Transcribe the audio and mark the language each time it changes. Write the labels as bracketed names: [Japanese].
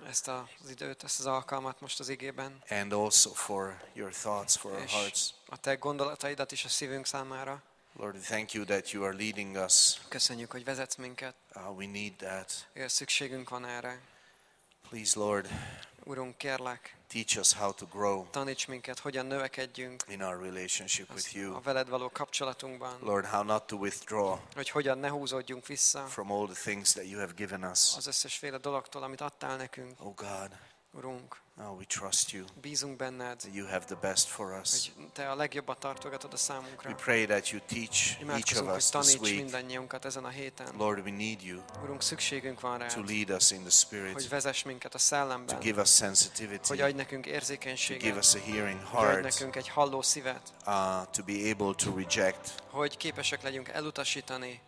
[Hungarian] ezt az időt, ezt az alkalmat most az igében, [English] and also for your thoughts for our hearts. [Hungarian] A te gondolataidat is a szívünk számára. [English] Lord, we thank you that you are leading us. [Hungarian] Köszönjük, hogy vezetsz minket. [English] We need that. [Hungarian] Ja, szükségünk van erre. [English] Please, Lord, [Hungarian] Urunk, kérlek, [English] teach us how to grow. [Hungarian] Taníts minket, hogyan növekedjünk [English] in our relationship with you. [Hungarian] A veled való kapcsolatunkban. [English] Lord, how not to withdraw. [Hungarian] Hogy hogyan ne húzódjunk vissza. [English] From all the things that you have given us. [Hungarian] Az összes féle dologtól, amit adtál nekünk. [English] Oh God. [Hungarian] Urunk. [English] Now we trust you. [Hungarian] Bízunk benned. [English] You have the best for us. [Hungarian] Te a legjobbat tartogatod a számunkra. [English] We pray that you teach each of us this week. [Hungarian] Taníts mindannyiunkat ezen a héten. [English] Lord, we need you. [Hungarian] Urunk, szükségünk van rád. [English] To lead us in the Spirit. [Hungarian] Hogy vezess minket a szellemben. [English] To give us sensitivity. [Hungarian] Hogy adj nekünk érzékenységet. [English] To give us a hearing heart. [Hungarian] Adj nekünk egy halló szívet. [English] To be able to reject. [Hungarian] Hogy képesek legyünk elutasítani.